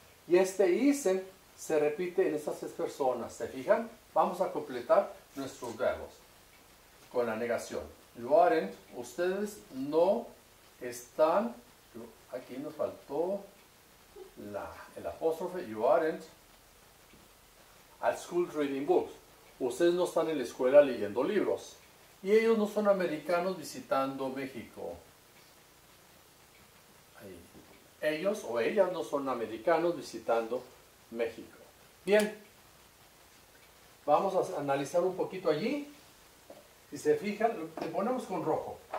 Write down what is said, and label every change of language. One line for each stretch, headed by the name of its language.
Spanish: Y este isn't se repite en estas tres personas. ¿Se fijan? Vamos a completar nuestros verbos con la negación.
English: You aren't,
Spanish: ustedes no están. Aquí nos faltó el apóstrofe.
English: You aren't at school reading books.
Spanish: Ustedes no están en la escuela leyendo libros. Y ellos no son americanos visitando México. Ahí. Ellos o ellas no son americanos visitando México. Bien. Vamos a analizar un poquito allí. Si se fijan, le ponemos con rojo.